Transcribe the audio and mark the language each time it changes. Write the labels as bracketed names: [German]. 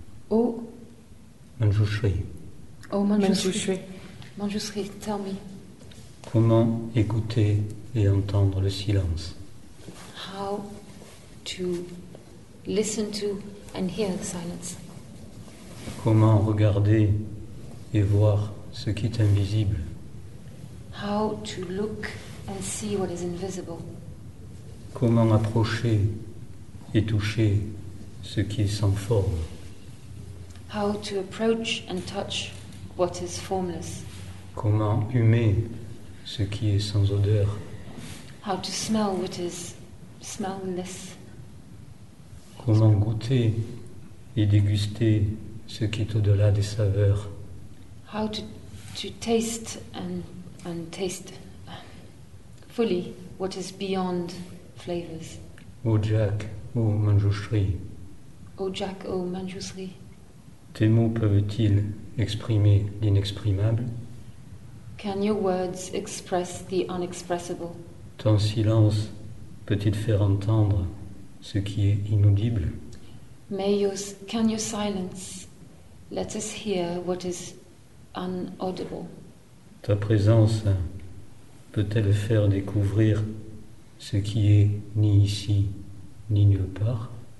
[English] Oh. Manjushri. Oh Manjushri. Manjushri, tell me. [French] Comment écouter et entendre le silence? [English] How to listen to and hear the silence? [French] Comment regarder et voir ce qui est invisible? [English] How to look and see what is invisible? [French] Comment approcher et toucher ce qui est sans forme? [English] How to approach and touch what is formless. [French] Comment humer ce qui est sans odeur. [English] How to smell what is smellless. [French] Comment goûter et déguster ce qui est au-delà des saveurs. [English] How to taste and taste fully what is beyond flavors. Oh Jack, oh Manjushri. Oh Jack, oh Manjushri. [French] Tes mots peuvent-ils exprimer l'inexprimable? [English] Can your words express the unexpressible? [French] Ton silence peut-il faire entendre ce qui est inaudible? [English] Can your silence let us hear what is unaudible? [French] Ta présence peut-elle faire découvrir ce qui est ni ici ni nulle part?